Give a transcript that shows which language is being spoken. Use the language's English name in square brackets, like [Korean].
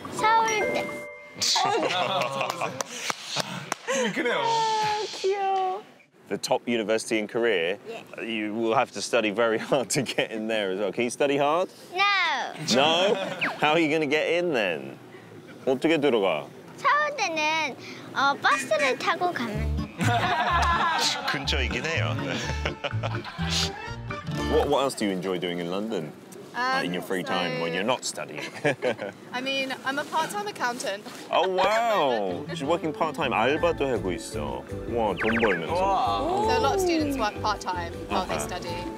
[English] Seoul. The top university in Korea? Yes. You will have to study very hard to get in there as well. Can you study hard? No. No? How are you going to get in then? [Korean] 어떻게 들어가? 서울대는 버스를 타고 가면 돼. 근처이긴 해요. [English] What else do you enjoy doing in London? In your free time when you're not studying? I mean, I'm a part-time accountant. Oh, wow! She's working part-time. [Korean] 알바도 하고 있어. 와, 돈 벌면서. [English] So a lot of students work part-time while they study.